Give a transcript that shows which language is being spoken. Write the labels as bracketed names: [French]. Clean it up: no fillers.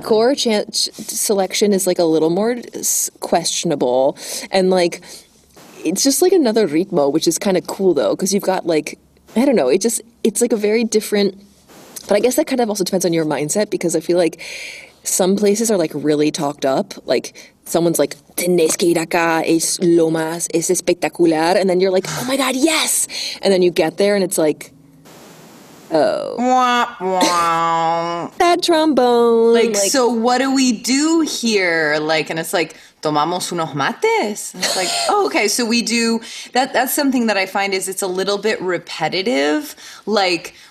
[English] decor chance selection is like a little more questionable, and like, it's just like another ritmo, which is kind of cool, though, because you've got like, I don't know. It's like a very different, but I guess that kind of also depends on your mindset because I feel like some places are like really talked up. Like someone's like, [Spanish] tenés que ir acá, es lo más, es espectacular. [English] And then you're like, oh my God, yes. And then you get there and it's like, oh. Wah, Bad wah. trombone. Like, Like, so what do we do here? Like, and it's like, [Spanish] tomamos unos mates. [English] It's like, oh, okay, so we do that. That's something that I find is it's a little bit repetitive. Like,